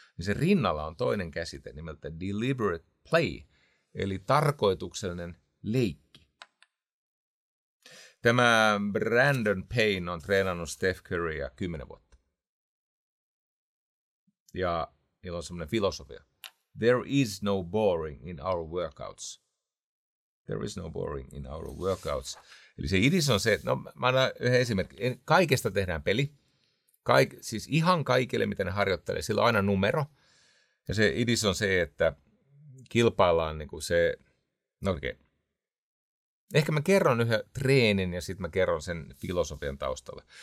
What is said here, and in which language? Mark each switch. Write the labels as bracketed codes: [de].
[fi] Niin sen rinnalla on toinen käsite nimeltä deliberate play, eli tarkoituksellinen leikki. Tämä Brandon Payne on treenannut Steph Curryä 10 vuotta. Ja niillä on semmoinen filosofia. [en] There is no boring in our workouts. There is no boring in our workouts. [fi] Eli se idis on se, että no mä annan yhden esimerkki. Kaikesta tehdään peli. Siis ihan kaikille, mitä ne harjoittelee, sillä on aina numero. Ja se idis on se, että kilpaillaan niin kuin se, no okei. Okay. Ehkä mä kerron yhden treenin ja sitten mä kerron sen filosofian taustalla.